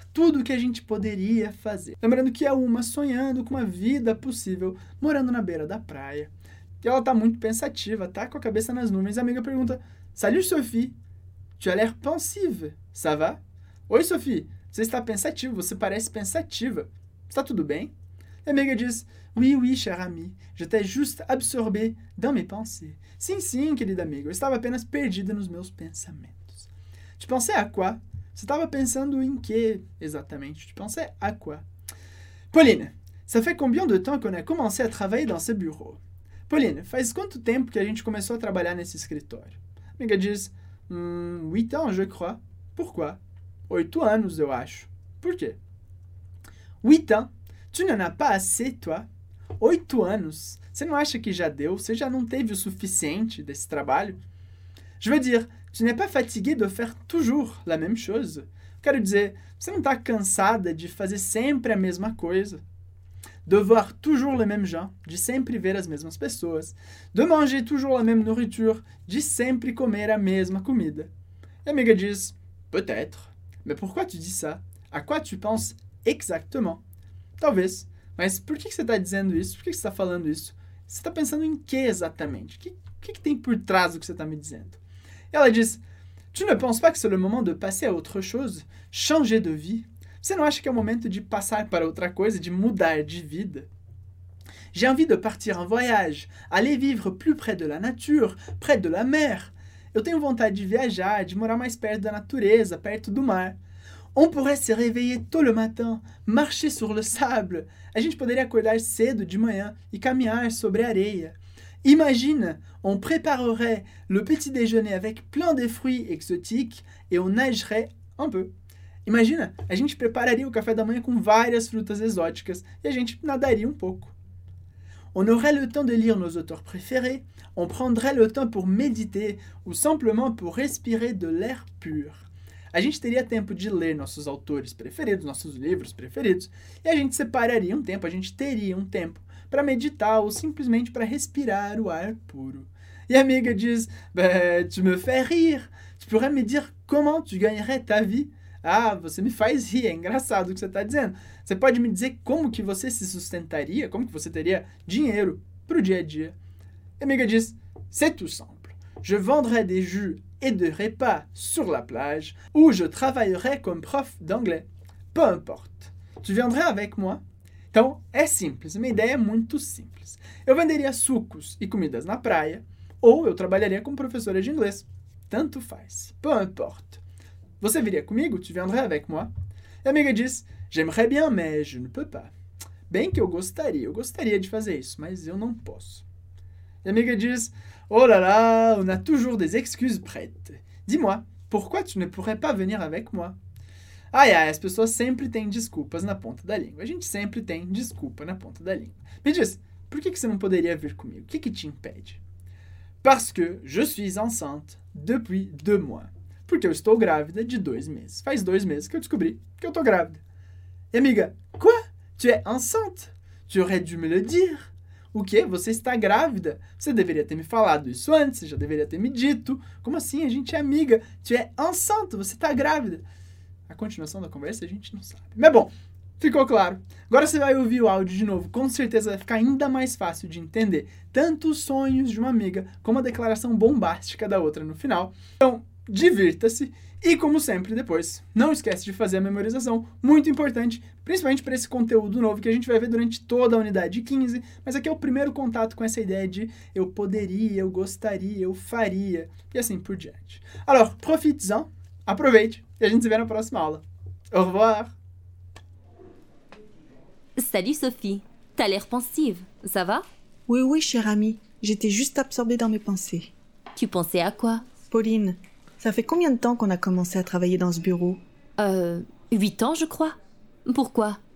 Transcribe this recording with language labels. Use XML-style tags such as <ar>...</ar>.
<pt>Tudo que a gente poderia fazer. Lembrando que é uma sonhando com uma vida possível, morando na beira da praia. E ela tá muito pensativa, tá com a cabeça nas nuvens. A amiga pergunta,</pt> <fr>salut Sophie, tu as l'air pensive, ça va?</fr> <pt>Oi Sophie, você está pensativa, você parece pensativa. Está tudo bem? A amiga diz,</pt> <fr>oui, oui, cher ami, je t'ai juste absorbé dans mes pensées.</fr> <pt>Sim, sim, querida amiga, eu estava apenas perdida nos meus pensamentos.</pt> <fr>Tu pensais à quoi?</fr> <pt>Você estava pensando em quê, exatamente?</pt> <fr>Tu pensais à quoi? Pauline, ça fait combien de temps qu'on a commencé à travailler dans ce bureau?</fr> <pt>Pauline, faz quanto tempo que a gente começou a trabalhar nesse escritório? A amiga diz,</pt> <fr>8 ans, je crois. Pourquoi?</fr> <pt>8 anos, eu acho. Por quê?</pt> <fr>8 ans. Tu n'en as pas assez, toi?</fr> <pt>8 anos. Você não acha que já deu? Você já não teve o suficiente desse trabalho?</pt> <fr>Je veux dire, tu n'es pas fatigué de faire toujours la même chose.</fr> <pt>Quero dizer, você não está cansada de fazer sempre a mesma coisa?</pt> <fr>De voir toujours les mêmes gens,</fr> <pt>de sempre ver as mesmas pessoas.</pt> <fr>De manger toujours la même nourriture,</fr> <pt>de sempre comer a mesma comida. E a amiga diz,</pt> <fr>peut-être. Mais pourquoi tu dis ça? À quoi tu penses exactement?</fr> <pt>Talvez. Mas por que você está dizendo isso? Por que você está falando isso? Você está pensando em que exatamente? O que tem por trás do que você está me dizendo? Ela diz,</pt> <fr>tu ne penses pas que c'est le moment de passer à autre chose? Changer de vie?</fr> <pt>Você não acha que é o momento de passar para outra coisa, de mudar de vida?</pt> <fr>J'ai envie de partir en voyage, aller vivre plus près de la nature, près de la mer.</fr> <pt>Eu tenho vontade de viajar, de morar mais perto da natureza, perto do mar.</pt> <fr>On pourrait se réveiller tôt le matin, marcher sur le sable.</fr> <pt>A gente poderia acordar cedo de manhã e caminhar sobre a areia.</pt> <fr>Imagine, on préparerait le petit déjeuner avec plein de fruits exotiques et on nagerait un peu.</fr> <pt>Imagina, a gente prepararia o café da manhã com várias frutas exóticas e a gente nadaria um pouco.</pt> <fr>On aurait le temps de lire nos auteurs préférés, on prendrait le temps pour méditer ou simplement pour respirer de l'air pur.</fr> <pt>A gente teria tempo de ler nossos autores preferidos, nossos livros preferidos, e a gente separaria um tempo, a gente teria um tempo para meditar ou simplesmente para respirar o ar puro. E a amiga diz,</pt> <fr>tu me fais rire, tu pourrais me dire comment tu gagnerais ta vie?</fr> <pt>Ah, você me faz rir, é engraçado o que você está dizendo. Você pode me dizer como que você se sustentaria, como que você teria dinheiro para o dia a dia? E a amiga diz,</pt> <fr>c'est tout simple. Je vendrais des jus et des repas sur la plage ou je travaillerais comme prof d'anglais. Peu importe. Tu viendrais avec moi?</fr> <pt>Então, é simples. Minha ideia é muito simples. Eu venderia sucos e comidas na praia ou eu trabalharia como professora de inglês. Tanto faz.</pt> <fr>Peu importe.</fr> <pt>Você viria comigo?</pt> <fr>Tu viendrais avec moi?</fr> <pt>E a amiga diz,</pt> <fr>j'aimerais bien, mais je ne peux pas.</fr> <pt>Bem que eu gostaria de fazer isso, mas eu não posso. E a amiga diz,</pt> <fr>oh là là, on a toujours des excuses prêtes. Dis-moi, pourquoi tu ne pourrais pas venir avec moi?</fr> <pt>Ai, ai, as pessoas sempre têm desculpas na ponta da língua. A gente sempre tem desculpa na ponta da língua. Me diz, por que você não poderia vir comigo? O que te impede?</pt> <fr>Parce que je suis enceinte depuis deux mois.</fr> <pt>Porque eu estou grávida de 2 meses. Faz 2 meses que eu descobri que eu estou grávida. E amiga,</pt> <fr>quoi? Tu es enceinte? Tu aurais dû me le dire.</fr> <pt>O quê? Você está grávida? Você deveria ter me falado isso antes, você já deveria ter me dito. Como assim? A gente é amiga.</pt> <fr>Tu es enceinte?</fr> <pt>Você está grávida? A continuação da conversa a gente não sabe. Mas bom, ficou claro. Agora você vai ouvir o áudio de novo. Com certeza vai ficar ainda mais fácil de entender tanto os sonhos de uma amiga como a declaração bombástica da outra no final. Então, divirta-se e, como sempre, depois, não esquece de fazer a memorização, muito importante, principalmente para esse conteúdo novo que a gente vai ver durante toda a unidade 15, mas aqui é o primeiro contato com essa ideia de eu poderia, eu gostaria, eu faria e assim por diante.</pt> <fr>Alors, profite-en,</fr> <pt>aproveite e a gente se vê na próxima aula.</pt> <fr>Au revoir! Salut Sophie, t'as l'air pensive, ça va? Oui, oui, cher ami, j'étais juste absorbée dans mes pensées. Tu pensais à quoi? Pauline, ça fait combien de temps qu'on a commencé à travailler dans ce bureau? 8 ans, je crois. Pourquoi?</fr>